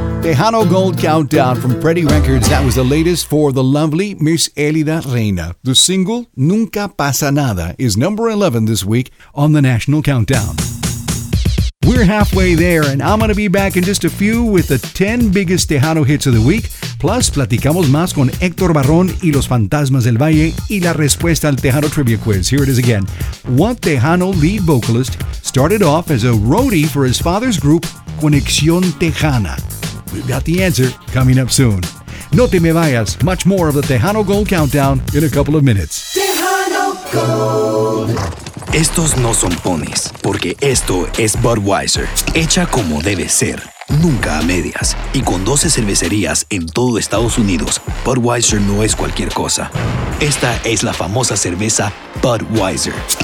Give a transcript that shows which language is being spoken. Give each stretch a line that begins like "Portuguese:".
English: Tejano Gold Countdown from Pretty Records. That was the latest for the lovely Miss Elida Reina. The single, Nunca Pasa Nada, is number 11 this week on the National Countdown. We're halfway there, and I'm going to be back in just a few with the 10 biggest Tejano hits of the week.
Spanish: Plus, platicamos más con Héctor Barrón y los Fantasmas del Valle y la respuesta al Tejano Trivia Quiz.
English: Here it is again. What Tejano lead vocalist started off as a roadie for his father's group, Conexión Tejana? We've got the answer coming up soon.
Spanish: No te me vayas.
English: Much more of the Tejano Gold Countdown in a couple of minutes. Tejano Gold.
Spanish: Estos no son ponis, porque esto es Budweiser, hecha como debe ser, nunca a medias. Y con 12 cervecerías en todo Estados Unidos, Budweiser no es cualquier cosa. Esta es la famosa cerveza Budweiser.